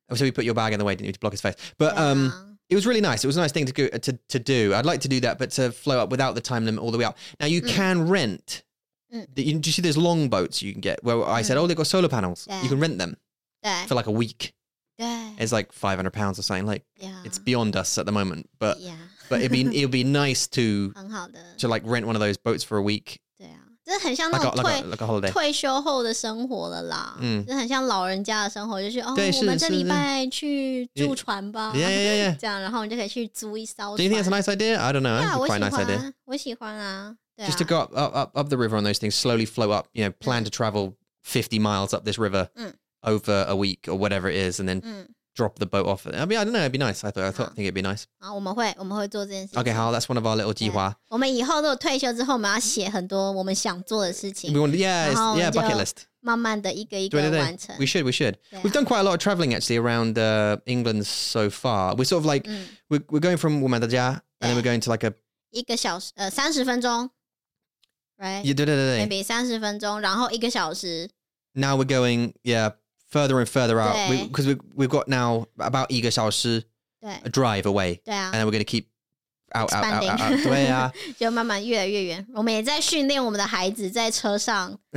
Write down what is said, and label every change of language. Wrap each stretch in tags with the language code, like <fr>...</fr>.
<en>So we put your bag in the way, didn't you, to block his face? But it was really nice. It was a nice thing to do. I'd like to do that, but to float up without the time limit all the way up. Now, you can rent Do you see those long boats you can get? Well, I said, oh, they've got solar panels. You can rent them for like a week. It's like £500 or something. Like, it's beyond us at the moment. But but it'd be nice to like rent one of those boats for a week.</en> <zh>这很像那种 退休后的生活了啦 就很像老人家的生活 就是我们这礼拜去住船吧 然后我们就可以去租一艘船</zh> <en>Do you think that's a nice idea? I don't know.</en> <zh>Yeah, 我喜欢啊</zh> <en>Just to go up the river on those things, slowly float up, you know, plan to travel 50 miles up this river over a week or whatever it is, and then drop the boat off. I mean, I don't know. It'd be nice. I think it'd be nice.</en> <zh>好,我们会做这件事情。</zh> <en>Okay, 好, that's one of our little 计划.</en> <zh>我们以后都退休之后,我们要写很多我们想做的事情。</zh> <en>Yeah, bucket list.</en> <zh>慢慢的一个一个完成。</zh> <en>We should. We've done quite a lot of travelling, actually, around England so far. We're sort of like, we're going from 我们的家, and then we're going to like a...</en> <zh>一个小时,30分钟, right?</zh> <en>Yeah, 对。</en> <zh>Maybe 30分钟, 然后一个小时。</zh> <en>Now we're going, further and further out, because we've got now about</en> <zh>一个小时</zh> <en>a drive away, and then we're going to keep out.</en> <zh>就慢慢越来越远，我们也在训练我们的孩子在车上。</zh>